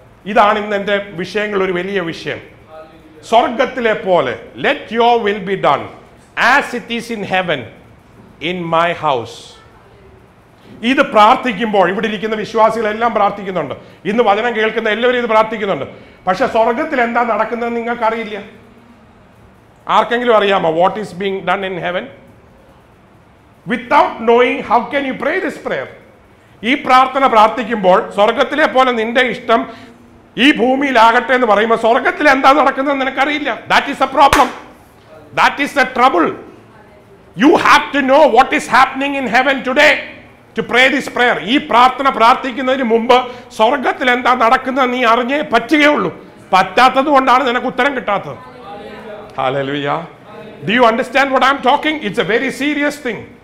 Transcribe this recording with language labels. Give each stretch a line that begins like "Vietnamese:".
Malayalam: ഇതാണ് ഇന്ന് എന്റെ വിഷയങ്ങൾ, ഒരു വലിയ വിഷയം. സ്വർഗത്തിലെ പോലെ,
English: Let your will be done as it is in heaven in my house.
Malayalam: ഇത് പ്രാർത്ഥിക്കുമ്പോൾ ഇവിടെ ഇരിക്കുന്ന വിശ്വാസികളെല്ലാം പ്രാർത്ഥിക്കുന്നുണ്ട്, ഇന്ന് വചനം കേൾക്കുന്ന എല്ലാവരും ഇത് പ്രാർത്ഥിക്കുന്നുണ്ട്. പക്ഷെ സ്വർഗത്തിൽ എന്താ നടക്കുന്നത് നിങ്ങൾക്കറിയില്ല. ആർക്കെങ്കിലും അറിയാമോ
English: What is being done in heaven? Without knowing, how can you pray this prayer?
Malayalam: ഈ പ്രാർത്ഥന പ്രാർത്ഥിക്കുമ്പോൾ സ്വർഗത്തിലെ പോലെ നിന്റെ ഇഷ്ടം ഈ ഭൂമിയിൽ ആകട്ടെ എന്ന് പറയുമ്പോൾ സ്വർഗത്തിൽ എന്താ നടക്കുന്നത് നിനക്കറിയില്ല.
English: That is a problem. That is a trouble. You have to know what is happening in heaven today to pray this prayer.
Malayalam: ഈ പ്രാർത്ഥന പ്രാർത്ഥിക്കുന്നതിന് മുമ്പ് സ്വർഗത്തിൽ എന്താ നടക്കുന്നത് നീ അറിഞ്ഞേ പറ്റുകയുള്ളൂ. പറ്റാത്തത് കൊണ്ടാണ് നിനക്ക് ഉത്തരം കിട്ടാത്തത്.
English: Hallelujah. Do you understand what I'm talking? It's a very serious thing.